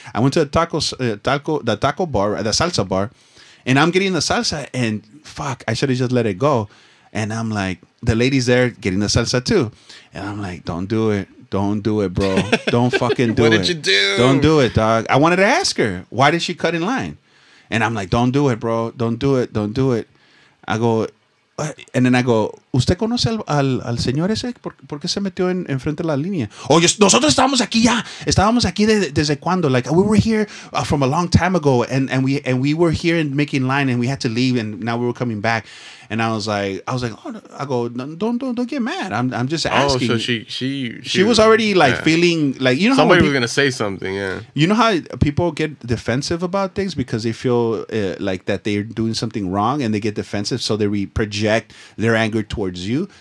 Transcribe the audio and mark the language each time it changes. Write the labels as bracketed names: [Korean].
[English] I went to the salsa bar. And I'm getting the salsa and fuck, I should have just let it go. And I'm like, the lady's there getting the salsa too. And I'm like, don't do it. Don't do it, bro. Don't fucking do it. What did you do? Don't do it, dog. I wanted to ask her, why did she cut in line? And I'm like, don't do it, bro. Don't do it. Don't do it. I go, what? [Spanish] And then I go, ¿usted conoce al señor ese? ¿Por qué se metió en frente de la línea? Oh, nosotros estábamos aquí ya. Estábamos aquí desde cuando. [English] Like, we were here from a long time ago. And we were here and making line. And we had to leave. And now we were coming back. And I was like, oh, I go, don't get mad. I'm just asking. Oh, so she was already like feeling like, you know, somebody was gonna say something. Yeah, you know how people get defensive about things because they feel like that they're doing something wrong and they get defensive, so they project their anger towards you.